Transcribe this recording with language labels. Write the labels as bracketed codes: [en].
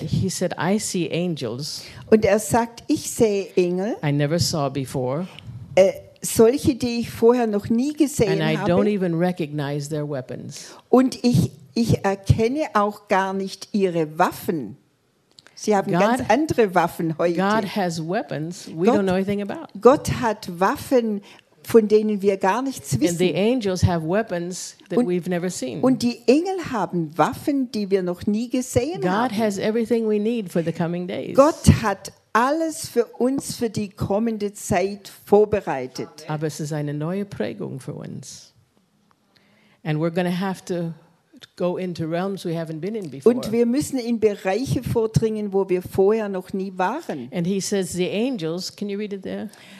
[en] he said, I see angels. [de] Und er sagt, ich sehe Engel. [en] I never saw before. [de] Solche, die ich vorher noch nie gesehen [en] and [de] habe. [en] And I don't even recognize their weapons. [de] Und ich erkenne auch gar nicht ihre Waffen. Sie haben [en] God, [de] ganz andere Waffen heute. [en] God has weapons we Gott, don't know anything about. [de] Gott hat Waffen, von denen wir gar nichts wissen. [en] And the angels have weapons that we've never seen. [de] Und die Engel haben Waffen, die wir noch nie gesehen [en] God [de] haben. [en] Has everything we need for the coming days. [de] Gott hat alles für uns für die kommende Zeit vorbereitet. Aber es ist eine neue Prägung für uns. [en] And we're going to have to go into realms we haven't been in before. [de] Und wir müssen in Bereiche vordringen, wo wir vorher noch nie waren. [en] And he says the angels, can you read it there?